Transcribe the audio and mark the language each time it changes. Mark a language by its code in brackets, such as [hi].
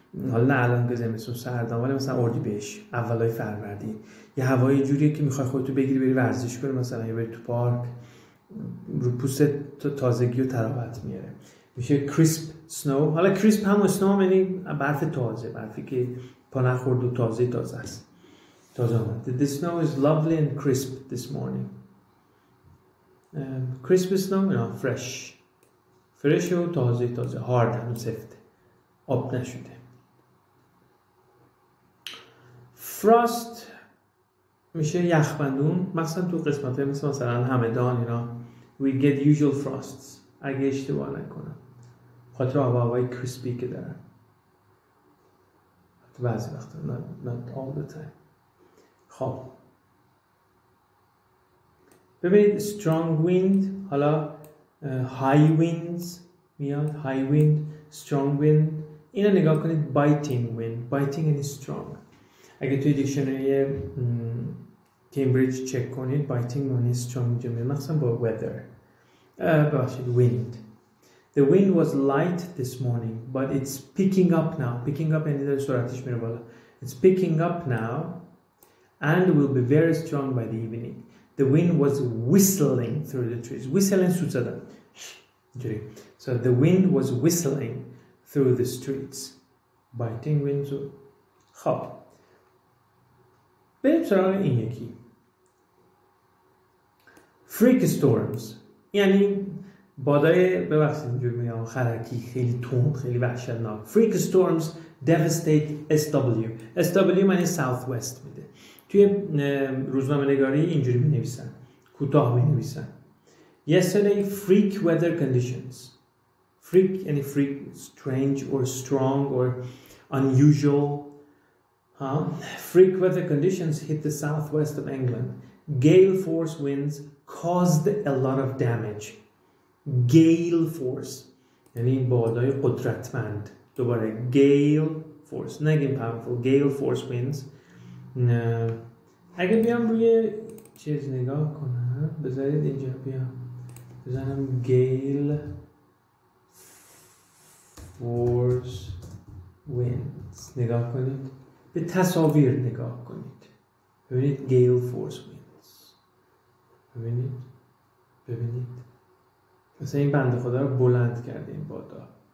[fa] حالا نه الان به زمستون سردم، ولی مثلا اردیبهشت اولای فروردین یه هوای جوریه که میخوای خودتو بگیری بری ورزش کنی، مثلا یا بری تو پارک، رو پوستت تازگی و طراوت میاره. میشه کریسپ سنو. حالا کریسپ هم سنو هم یعنی برف تازه، برفی که پا نخورد و تازه تازه است، تازه آمد. [en] The snow is lovely and crisp this morning. [fa] Crisp snow یعنی fresh، fresh و تازه تازه، hard هم سفته، آب نشده. فراست میشه یخبندون، مثلا تو قسمت های مثلا همدان اینا [en] we get usual frosts، [fa] اگه اشتباه نکنم خاطر هوای کریسپی که دارن حتی بعضی وقتا، [en] not all the time. [fa] خب ببینید [en] strong wind، [fa] حالا [en] high winds [fa] میاد، [en] high wind، strong wind، [fa] اینا نگاه کنید [en] biting wind، biting and strong. [fa] اگه توی دیکشنری کمبریج چک کنید بایتینگ مانی استرونگ جمعه مخصم با ویدر باشید ویند. [en] The wind was light this morning but it's picking up now. [fa] Picking up یعنی داری سرعتش میره بالا. [en] It's picking up now and will be very strong by the evening. The wind was whistling through the trees. Whistling [fa] سود زدن. [en] So the wind was whistling through the streets. Bighting wind. [fa] خب بریم سراغ این یکی freak storms، یعنی بادای ببخشید اینجور میگم خرکی، خیلی تند، خیلی وحشتناک. [en] freak storms devastate SW. SW [fa] معنی [en] south west [fa] میده. توی روزنامه نگاری اینجوری می نویسن، کوتاه می نویسن [en] yesterday freak weather conditions. freak یعنی freak، strange or strong or unusual. Freak weather conditions hit the southwest of England. Gale force winds caused a lot of damage. [fa] Gale force یعنی بادای قدرتمند. دوباره [en] gale force، [fa] نگیم [en] powerful، gale force winds. [fa] اگه بیام روی چیز نگاه کنم، بذارید اینجا بیام بزنم gale force winds، نگاه کنید به تصاویر، نگاه کنید ببینید gale force winds، ببینید ببینید مثلا این بنده خدا رو بلند کرده این بادا.